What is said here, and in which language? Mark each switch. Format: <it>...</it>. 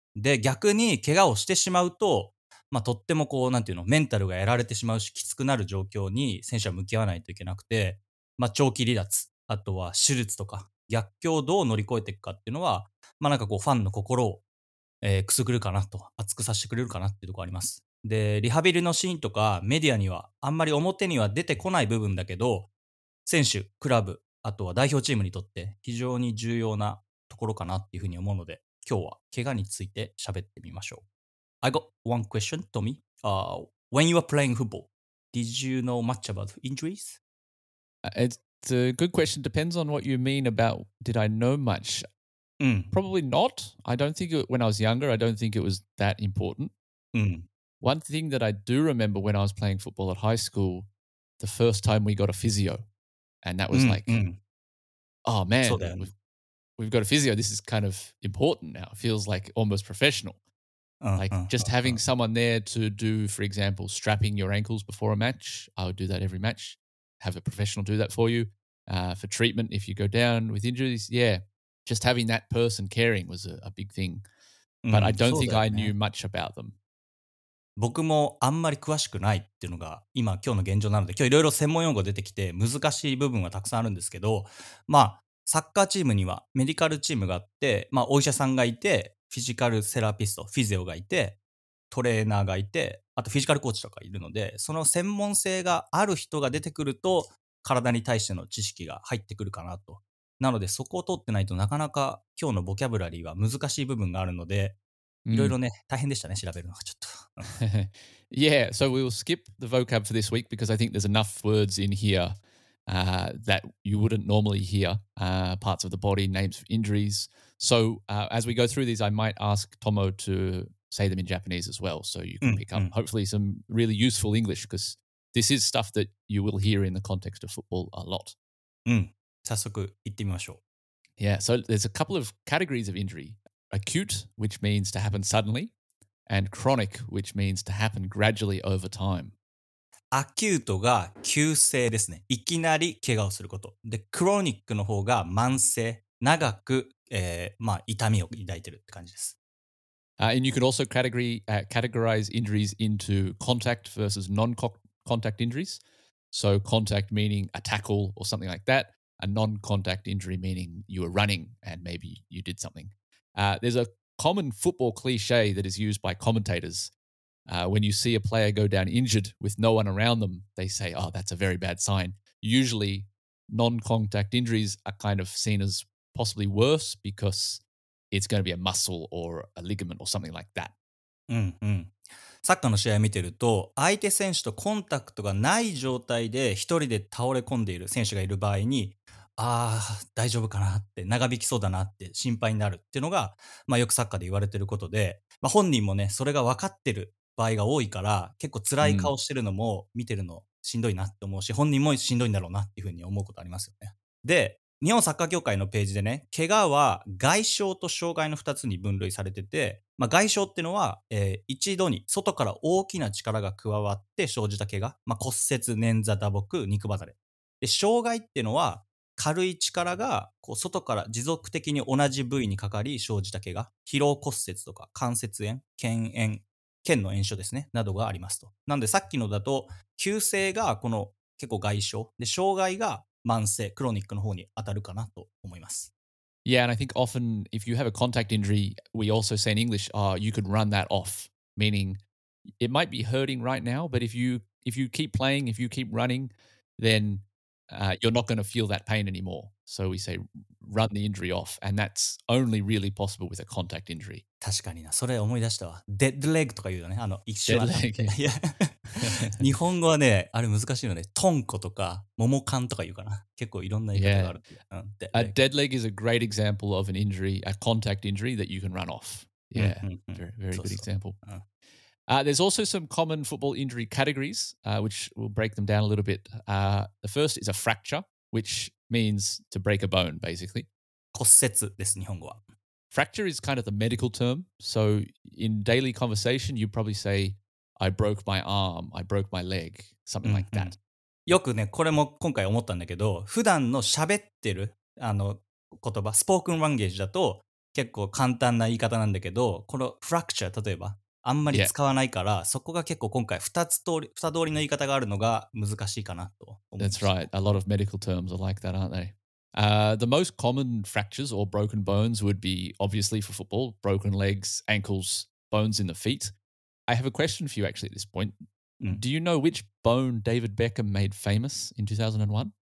<ja>で、逆に怪我をしてしまうと、まあ、とってもこう、なんていうの、メンタルがやられてしまうし、きつくなる状況に選手は向き合わないといけなくて、まあ、長期離脱、あとは手術とか、逆境をどう乗り越えていくかっていうのは、まあ、なんかこう、ファンの心を、くすぐるかなと、熱くさせてくれるかなっていうところあります。で、リハビリのシーンとか、メディアには、あんまり表には出てこない部分だけど、選手、クラブ、あとは代表チームにとって、非常に重要なところかなっていうふうに思うので、今日は、怪我について喋ってみましょう。</ja> <en>I got one question, Tommy. When you were playing football, did you know much about injuries? It's a good question. Depends on what you mean about did I know much. Mm. Probably not. I don't think it, when I was younger, I don't think it was that important. Mm. One thing that I do remember when I was playing football at high school, the first time we got a physio, and that was oh man, we've got a physio. This is kind of important now. It feels like almost professional. Like just having someone there to do, for example, strapping your ankles before a match. I would do that every match. Have a professional do that for you. For treatment, if you go down with injuries. Yeah, just having that person caring was a big thing. But I don't think I knew much about them.</en> <ja>僕もあんまり詳しくないっていうのが今日の現状なので、今日いろいろ専門用語出てきて難しい部分はたくさんあるんですけど、まあサッカーチームにはメディカルチームがあって、まあお医者さんがいて、フィジカルセラピスト、フィゼオがいて、トレーナーがいて、あとフィジカルコーチとかいるので、その専門性がある人が出てくると、体に対しての知識が入ってくるかなと。なので、そこを通ってないとなかなか今日のボキャブラリーは難しい部分があるので、いろいろね、大変でしたね、調べるのがちょっと。</ja> <en>Yeah, so we will skip the vocab for this week because I think there's enough words in here, that you wouldn't normally hear, parts of the body, names of injuries. So, as we go through these, I might ask Tomo to say them in Japanese as well, so you can pick up hopefully some really useful English, because this is stuff that you will hear in the context of football a lot.</en> <ja>早速行ってみましょう。</ja> <en>Yeah, so there's a couple of categories of injury. Acute, which means to happen suddenly, and chronic, which means to happen gradually over time.</en> <ja>Acute が急性ですね。いきなり怪我をすること。で、chronic の方が慢性。長く、まあ、痛みを抱いてるって感じです。</ja> <en>And you could also categorize injuries into contact versus non-contact injuries. So contact meaning a tackle or something like that. A non-contact injury meaning you were running and maybe you did something. There's a common football cliche that is used by commentators. When you see a player go down injured with no one around them, they say, oh, that's a very bad sign. Usually, non-contact injuries are kind of seen as... possibly worse because it's going to be a muscle or a ligament or something like that.</en> <ja>サッカーの試合見てると、相手選手とコンタクトがない状態で一人で倒れ込んでいる選手がいる場合に、ああ、大丈夫かなって、長引きそうだなって心配になるっていうのが、まあよくサッカーで言われてることで、まあ本人もね、それが分かってる場合が多いから、結構辛い顔してるのも見てるのしんどいなって思うし、本人もしんどいんだろうなっていうふうに思うことありますよね。で、日本サッカー協会のページでね、怪我は外傷と障害の2つに分類されてて、まあ、外傷っていうのは、一度に外から大きな力が加わって生じた怪我、まあ、骨折、捻挫、打撲、肉離れ。で、障害っていうのは軽い力がこう外から持続的に同じ部位にかかり生じた怪我、疲労骨折とか関節炎、腱炎、腱の炎症ですね、などがありますと。なんでさっきのだと急性がこの結構外傷で、障害が慢性クロニックの方に当たるかなと思います。</ja> <en>Yeah, and I think often if you have a contact injury, we also say in English, you could run that off, meaning it might be hurting right now, but if you keep playing, if you keep running, thenyou're not going to feel that pain anymore. So we say, run the injury off. And that's only really possible with a contact injury.</en> <ja>確かにな。それ思い出したわ。 Dead leg とか言うよね。一瞬。Dead leg. 日本語はね、あれ難しいよね。トンコとか、モモカンとか言うかな。結構いろんな言い方がある。</ja> <en>Yeah. A dead leg is a great example of an injury, a contact injury that you can run off. Yeah, very good example. There's also some common football injury categories, which we'll break them down a little bit. The first is a fracture, which means to break a bone, basically.</en> <ja>骨折です、日本語は。</ja> <en>Fracture is kind of the medical term. So in daily conversation, you probably say, I broke my arm, I broke my leg, something like that.</en> <ja>よくね、これも今回思ったんだけど、普段の喋ってる言葉、spoken language だと結構簡単な言い方なんだけど、この fracture、例えば、あんまり使わないから、そこが結構今回2通りの言い方があるのが難しいかなと思います。</ja> <en>That's right. A lot of medical terms are like that, aren't they? The most common fractures or broken bones would be, obviously for football, broken legs, ankles, bones in the feet. I have a question for you actually at this point. Do you know which bone David Beckham made famous in 2001?</en>